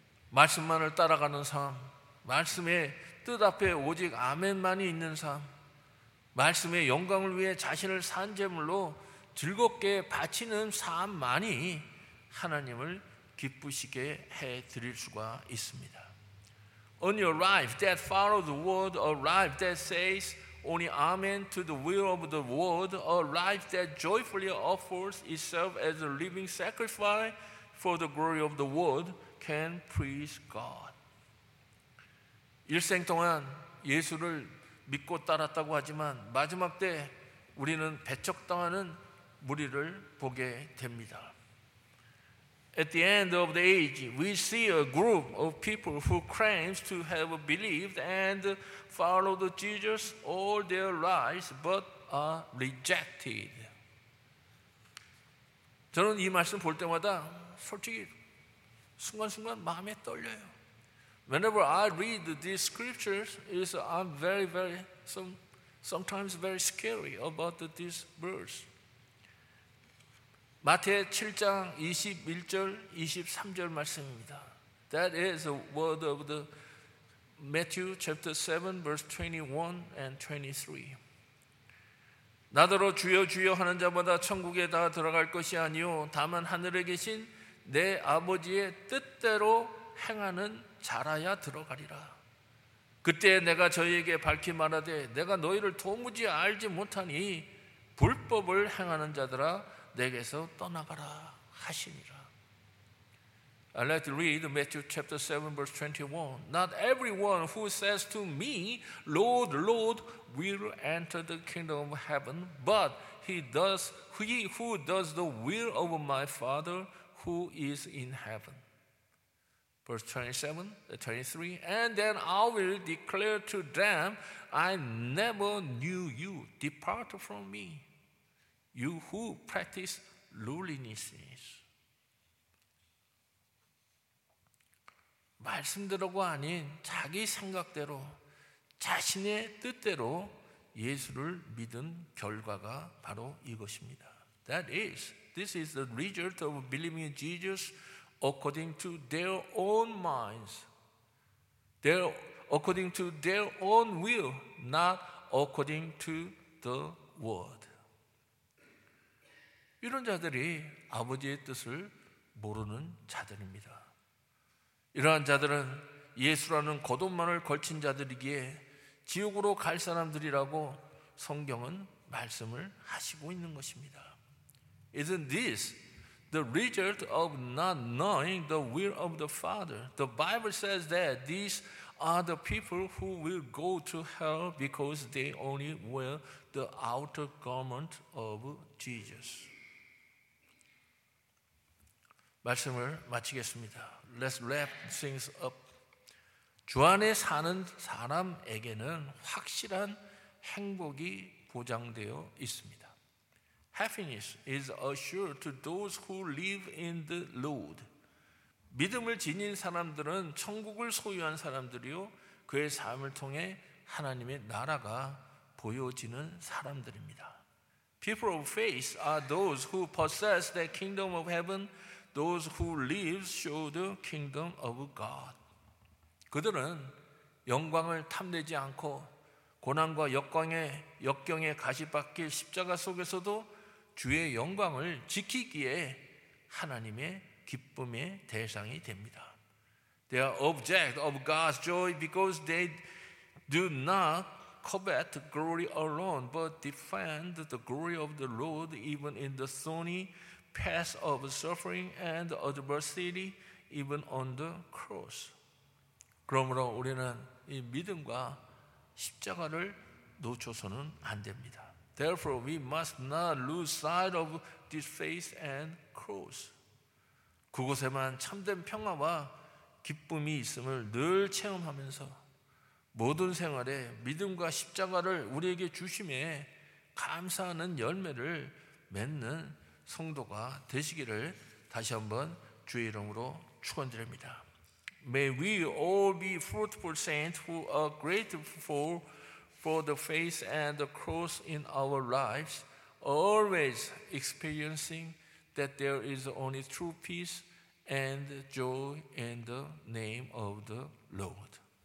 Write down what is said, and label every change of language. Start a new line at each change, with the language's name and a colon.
Korean: 말씀만을 따라가는 삶, 말씀의 뜻 앞에 오직 아멘만이 있는 삶, 말씀의 영광을 위해 자신을 산 제물로 즐겁게 바치는 삶만이 하나님을 기쁘시게 해드릴 수가 있습니다.
English: On your life that follows the word, a life that says only amen to the will of the word, a life that joyfully offers itself as a living sacrifice for the glory of the word can please God.
Korean: 일생 동안 예수를 믿고 따랐다고 하지만 마지막 때 우리는 배척당하는 무리를 보게 됩니다.
English: At the end of the age, we see a group of people who claims to have believed and followed Jesus all their lives, but are rejected.
Korean: 저는 이 말씀 볼 때마다 솔직히 순간순간 마음에 떨려요.
English: Whenever I read these scriptures, I'm sometimes very scary about these words.
Korean: 마태 7장 21절, 23절 말씀입니다.
English: That is the word of the Matthew chapter 7, verse 21 and 23.
Korean: 나더러 주여 주여 하는 자마다 천국에 다 들어갈 것이 아니오. 다만 하늘에 계신 내 아버지의 뜻대로 행하는 자라야 들어가리라. 그때 내가 저희에게 밝히 말하되 내가 너희를 도무지 알지 못하니 불법을 행하는 자들아 내게서 떠나가라 하시니라.
English: I'd like to read Matthew chapter 7 verse 21. Not everyone who says to me, Lord, Lord, will enter the kingdom of heaven, but he who does the will of my Father who is in heaven. Verse 27, 23, and then I will declare to them, I never knew you. Depart from me, you who practice lowliness.
Korean: 말씀대로가 아닌 자기 생각대로 자신의 뜻대로 예수를 믿은 결과가 바로 이것입니다.
English: This is the result of believing Jesus according to their own minds, according to their own will, not according to the word.
Korean: 이런 자들이 아버지의 뜻을 모르는 자들입니다. 이러한 자들은 예수라는 겉옷만을 걸친 자들이기에 지옥으로 갈 사람들이라고 성경은 말씀을 하시고 있는 것입니다.
English: Isn't this the result of not knowing the will of the Father? The Bible says that these are the people who will go to hell because they only wear the outer garment of Jesus.
Korean: 말씀을 마치겠습니다.
English: Let's wrap things up.
Korean: 주 안에 사는 사람에게는 확실한 행복이 보장되어 있습니다.
English: Happiness is assured to those who live in the Lord.
Korean: 믿음을 지닌 사람들은 천국을 소유한 사람들이요 그의 삶을 통해 하나님의 나라가 보여지는 사람들입니다.
English: People of faith are those who possess the kingdom of heaven. Those who live show the kingdom of God.
Korean: 그들은 영광을 탐내지 않고 고난과 역경의 가시밭길 십자가 속에서도 주의 영광을 지키기에 하나님의 기쁨의 대상이 됩니다.
English: They are object of God's joy because they do not covet glory alone but defend the glory of the Lord even in the thorny path of suffering and adversity even on the cross.
Korean: 그러므로 우리는 이 믿음과 십자가를 놓쳐서는 안 됩니다.
English: Therefore we must not lose sight of this faith and cross.
Korean: 그곳에만 참된 평화와 기쁨이 있음을 늘 체험하면서 모든 생활에 믿음과 십자가를 우리에게 주심에 감사하는 열매를 맺는 성도가 되시기를 다시 한번 주의 이름으로 축원드립니다.
English: May we all be fruitful saints who are grateful for the faith and the cross in our lives, always experiencing that there is only true peace and joy in the name of the Lord.